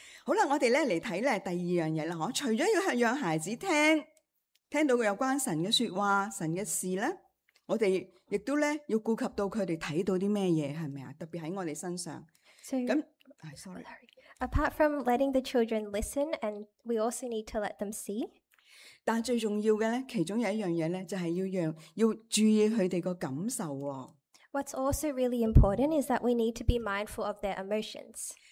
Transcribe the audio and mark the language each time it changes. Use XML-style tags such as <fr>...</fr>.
<zh>好啦，我哋咧嚟睇咧第二样嘢啦，嗬。除咗要让孩子听到有关神嘅说话、神嘅事咧，我哋亦都咧要顾及到佢哋睇到啲咩嘢，系咪啊？特别喺我哋身上。咁</zh> <en>Apart from letting the children listen, and we also need to let them see。</en> <zh>但最重要嘅咧，其中有一样嘢咧，就系要注意佢哋个感受、哦。</zh> <en>What's also really important is that we need to be mindful of their emotions.</en>